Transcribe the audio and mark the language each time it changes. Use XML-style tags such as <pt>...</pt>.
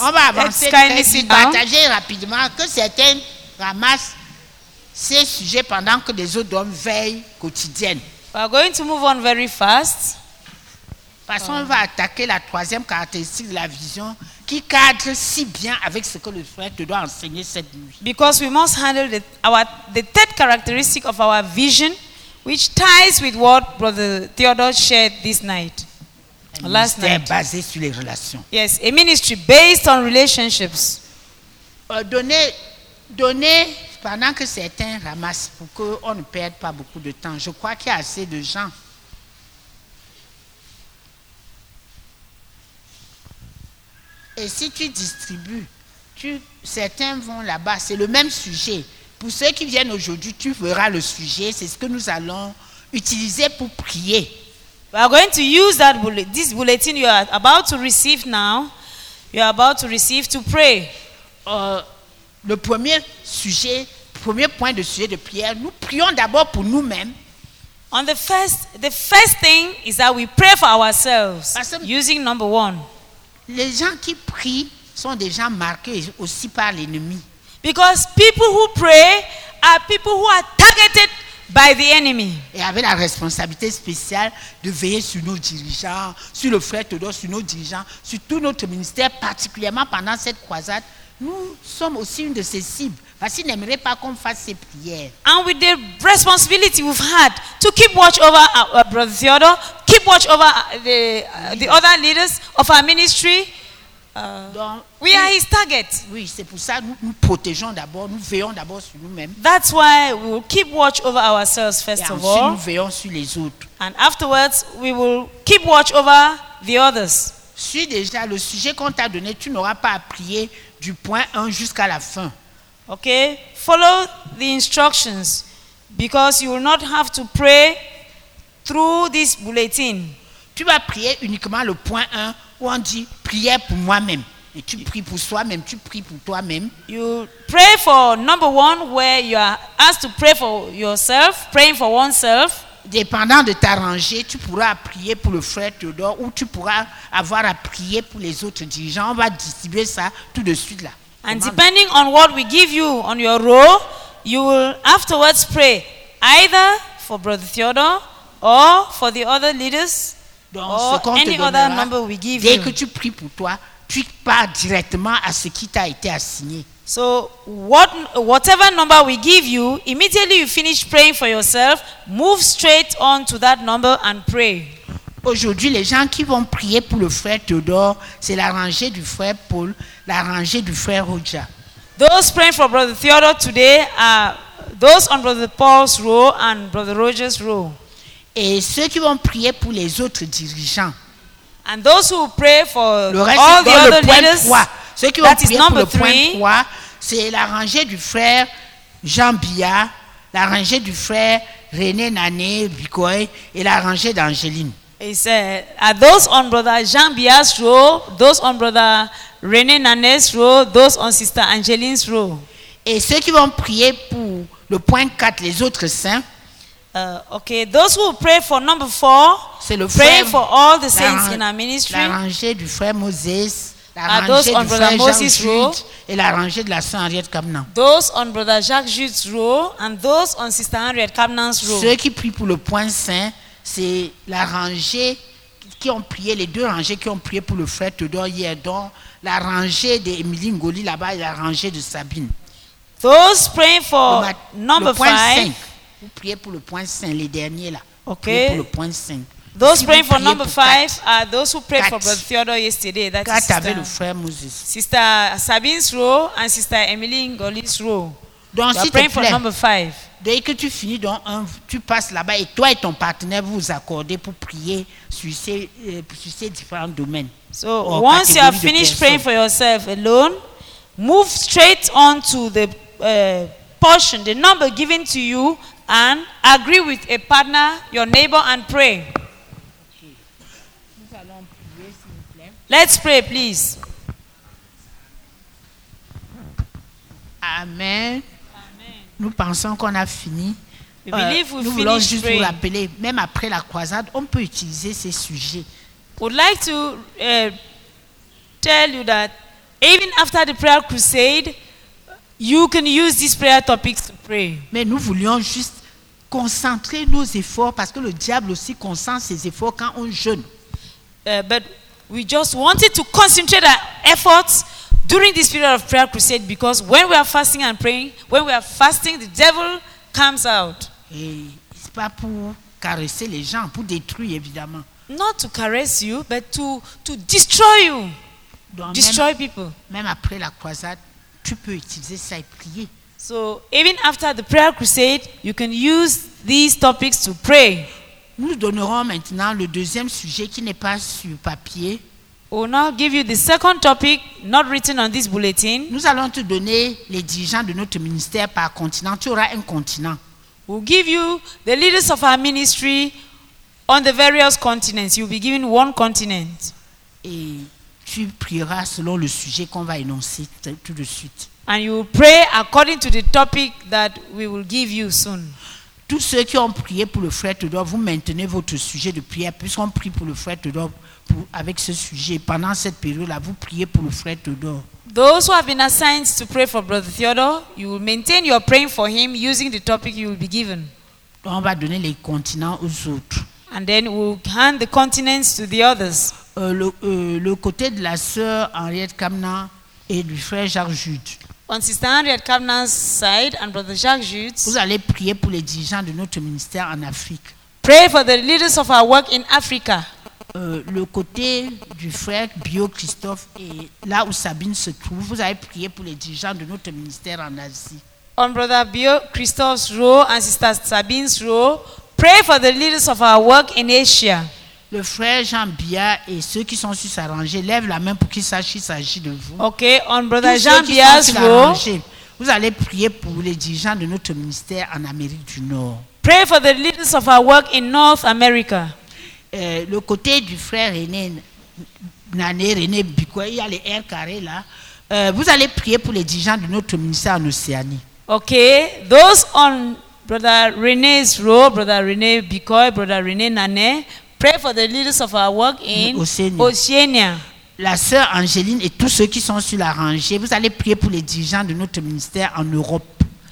<fr>On va avancer très vite, partager rapidement que certains ramassent ces sujets pendant que des autres hommes veillent quotidiennement.</fr> <en>We are going to move on very fast.</en> <fr>Parce qu'on va attaquer la troisième caractéristique de la vision qui cadre si bien avec ce que le frère te doit enseigner cette nuit.</fr> <en>Because we must handle the third characteristic of our vision, which ties with what Brother Theodore shared this night. Last night.</en> <fr>Basé sur les relations.</fr> <en>Yes, a ministry based on relationships.</en> <fr>Donner pendant que certains ramassent pour qu'on ne perde pas beaucoup de temps. Je crois qu'il y a assez de gens. Et si tu distribues, certains vont là-bas. C'est le même sujet. Pour ceux qui viennent aujourd'hui, tu verras le sujet. C'est ce que nous allons utiliser pour prier.</fr> <en>We are going to use that this bulletin you are about to receive now. You are about to receive to pray.</en> <fr>Le premier sujet premier point de sujet de prière, nous prions d'abord pour nous-mêmes.</fr> <en>On the first thing is that we pray for ourselves. Parce using number one.</en> <fr>Les gens qui prient sont des gens marqués aussi par l'ennemi.</fr> <en>Because people who pray are people who are targeted by the enemy.</en> <fr>Et avec la responsabilité spéciale de veiller sur nos dirigeants, sur le frère Todor, sur nos dirigeants, sur tout notre ministère, particulièrement pendant cette croisade, nous sommes aussi une de ces cibles. Parce qu'ils n'aimeraient pas qu'on fasse ces prières.</fr> <en>And with the responsibility we've had to keep watch over our brother Theodore, keep watch over the other leaders of our ministry, are his target.</en> <fr>Oui, c'est pour ça que nous protégeons d'abord, nous veillons d'abord sur nous-mêmes.</fr> <en>That's why we will keep watch over ourselves first of all.</en> <fr>Et ensuite, nous veillons sur les autres.</fr> <en>And afterwards, we will keep watch over the others.</en> <fr>Suis déjà le sujet qu'on t'a donné, tu n'auras pas à prier du point 1 jusqu'à la fin.</fr> <en>Okay, follow the instructions because you will not have to pray through this bulletin.</en> <fr>Tu vas prier uniquement le point 1 où on dit prière pour moi-même. Et tu pries pour soi-même, tu pries pour toi-même.</fr> <en>You pray for number 1 where you are asked to pray for yourself, praying for oneself.</en> <fr>Dépendant de ta rangée, tu pourras prier pour le frère Théodore ou tu pourras avoir à prier pour les autres dirigeants. On va distribuer ça tout de suite là.</fr> <en>And depending on what we give you on your role, you will afterwards pray either for Brother Theodore or for the other leaders or any other number we give</en> <fr>you. Dès que tu pries pour toi, tu pars directement à ce qui t'a été assigné.</fr> <en>So whatever number we give you, immediately you finish praying for yourself, move straight on to that number and pray.</en> <fr>Aujourd'hui, les gens qui vont prier pour le frère Théodore, c'est la rangée du frère Paul, la rangée du frère Roger.</fr> <en>Those praying for Brother Theodore today are those on Brother Paul's row and Brother Roger's row.</en> <fr>Et ceux qui vont prier pour les autres dirigeants.</fr> <en>And those who pray for</en> <fr>le reste,</fr> <en>all the other</en> <fr>le point</fr> <en>leaders. 3.</en> <fr>Ceux qui vont prier pour le point 3, c'est la rangée du frère Jean Bia, la rangée du frère René Nané Bikoy et la rangée d'Angeline.</fr> <en>He said, are those on Brother Jean Bia's row, those on Brother René Nané's row, those on Sister Angeline's row.</en> <fr>Et ceux qui vont prier pour le point 4, les autres saints.</fr> <en>Okay, those who pray for number 4,</en> <fr>c'est le</fr> <en>pray</en> <fr>frère,</fr> <en>for all the saints in our ministry.</en> <fr>La rangée du frère Moses, la rangée du frère</fr> <en>Brother Moses row,</en> <fr>et la rangée de la Sœur Henriette Kamnan.</fr> <en>Those on Brother Jacques Jude's row, and those on Sister Henriette Kamnan's row.</en> <fr>Ceux qui prient pour le point 5, c'est la rangée qui ont prié, les deux rangées qui ont prié pour le frère Théodore hier, donc la rangée d'Emilie Ngoli là-bas et la rangée de Sabine.</fr> <en>Those praying for number 5.</en> <fr>Vous priez pour le point 5, les derniers là. Ok. Pour le point 5.</fr> <en>Those praying for number 5 are those who prayed for Brother Theodore yesterday. That's</en> <fr>quatre avec le frère Moses.</fr> <en>Sister Sabine's row and Sister Emilie Ngoli's row.</en> <fr>Donc, s'il te praying plaît.</fr> <en>For number 5.</en> <fr>Dès que tu finis dans un, tu passes là-bas et toi et ton partenaire vous vous accordez pour prier sur ces différents domaines.</fr> <en>So once you have finished praying for yourself alone, move straight on to the portion, the number given to you, and agree with a partner, your neighbor, and pray.</en> <fr>Okay. Nous allons prier, s'il vous plaît.</fr> <en>Let's pray, please.</en> <fr>Amen. Nous pensons qu'on a fini. Nous voulons juste</fr> <en>praying.</en> <fr>Vous rappeler, même après la croisade, on peut utiliser ces sujets.</fr> <en>Would like to tell you that even after the prayer crusade, you can use these prayer topics to pray.</en> <fr>Mais nous voulions juste concentrer nos efforts parce que le diable aussi concentre ses efforts quand on jeûne.</fr> <en>But we just wanted to concentrate our efforts during this period of prayer crusade, because when we are fasting and praying, when we are fasting, the devil comes out.</en> <fr>Et c'est pas pour caresser les gens, pour détruire évidemment.</fr> <en>Not to caress you, but to destroy you,</en> <fr>donc</fr> <en>destroy</en> <fr>même,</fr> <en>people.</en> <fr>Même après la croisade, tu peux utiliser ça et prier.</fr> <en>So even after the prayer crusade, you can use these topics to pray.</en> <fr>Nous donnerons maintenant le deuxième sujet qui n'est pas sur papier.</fr> <en>We'll now give you the second topic not written on this bulletin.</en> <fr>Nous allons te donner les dirigeants de notre ministère par continent. Tu auras un continent.</fr> <en>We'll give you the leaders of our ministry on the various continents. You'll be given one continent.</en> <fr>Et tu prieras selon le sujet qu'on va énoncer tout de suite.</fr> <en>And you will pray according to the topic that we will give you soon.</en> <fr>Tous ceux qui ont prié pour le frère Tudor, vous maintenez votre sujet de prière. Puisqu'on prie pour le frère Tudor pour, avec ce sujet, pendant cette période-là, vous priez pour le frère Tudor.</fr> <en>Those who have been assigned to pray for Brother Theodore, you will maintain your praying for him using the topic you will be given.</en> <fr>On va donner les continents aux autres.</fr> <en>And then we'll hand the continents to the others.</en> <fr>Le côté de la sœur Henriette Kamna et du frère Jacques Jude.</fr> <en>On Sister Henriette Kamna's side and Brother Jacques Jude.</en> <fr>Vous allez prier pour les dirigeants de notre ministère en Afrique.</fr> <en>Pray for the leaders of our work in Africa.</en> <fr>Le côté du frère Bio Christophe et là où Sabine se trouve, vous allez prier pour les dirigeants de notre ministère en Asie.</fr> <en>On Brother Bio Christophe's role and Sister Sabine's role, pray for the leaders of our work in Asia.</en> <fr>Le frère Jean Bia et ceux qui sont sur sa rangée, lèvent la main pour qu'ils sachent qu'il s'agit de vous.</fr> <en>Ok, on Brother Jean Bia's role.</en> <fr>Vous allez prier pour les dirigeants de notre ministère en Amérique du Nord.</fr> <en>Pray for the leaders of our work in North America.</en> <fr>Le côté du frère René Nané, René Bikwe, il y a les R carrés là. Vous allez prier pour les dirigeants de notre ministère en Océanie.</fr> <en>Ok, those on Brother René's role, Brother René Bikwe, Brother René Nané, pray for the leaders of our work in Oceania.</en> <fr>La sœur Angeline et tous ceux qui sont sur la rangée, vous allez prier pour les dirigeants de notre ministère en Europe.</fr>